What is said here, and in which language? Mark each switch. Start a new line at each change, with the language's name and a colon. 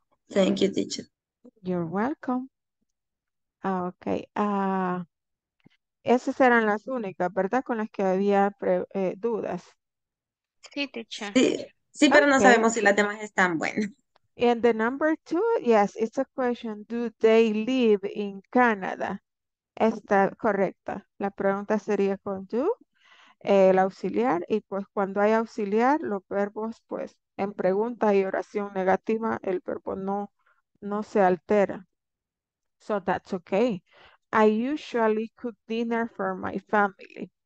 English: Thank you, teacher. You're welcome. Okay.
Spanish: Esas eran las únicas, ¿verdad? Con las que había dudas. Sí, teacher. Sí, Sí, pero okay. No sabemos si las demás están buenas.
English: And the number two, yes, it's a question, do they live in Canada?
Spanish: Está correcta. La pregunta sería con do, el auxiliar, y pues cuando hay auxiliar, los verbos, pues, en pregunta y oración negativa, el verbo no se altera.
English: So that's okay. I usually cook dinner for my family.